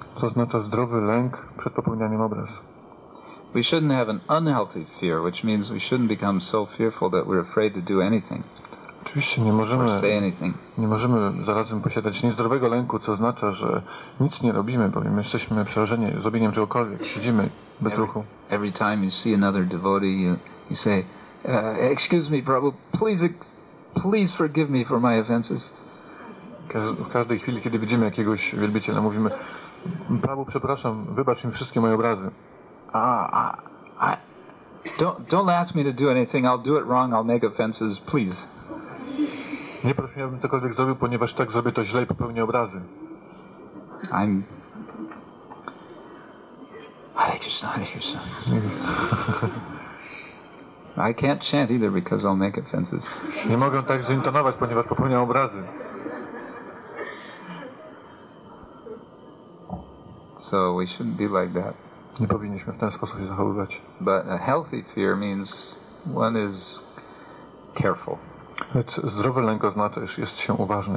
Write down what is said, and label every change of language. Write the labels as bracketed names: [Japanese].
[Polish] To oznacza zdrowy lęk przed popełnianiem obraz. [English] We shouldn't have an unhealthy fear, which means we shouldn't become so fearful that we're afraid to do anything. [Polish] Oczywiście nie możemy zarazem posiadać niezdrowego lęku, co oznacza, że nic nie robimy, bo my jesteśmy przerażeni zrobieniem czegokolwiek. Siedzimy bez ruchu. [English] Every time you see another devotee, you say, excuse me, Prabhu, please forgive me for my offenses. [Polish] W każdej chwili, kiedy widzimy jakiegoś wielbiciela, mówimy, Prabhu, przepraszam, wybacz mi wszystkie moje obrazy. [English] Don't ask me to do anything, I'll do it wrong, I'll make offenses, please. [Polish] Nie proszę, abym cokolwiek zrobił, ponieważ tak zrobię to źle i popełnię obrazy. [English] I'm... Hare Krishna, Hare Krishna. I can't chant either because I'll make offenses. [Polish] Nie mogę tak zintonować, ponieważ popełniam obrazy. [English] So we shouldn't be like that. [Polish] Nie powinniśmy w ten sposób się zachowywać. [English] But a healthy fear means one is careful. [Polish] Lecz zdrowy lęk oznacza, że jest się uważnym.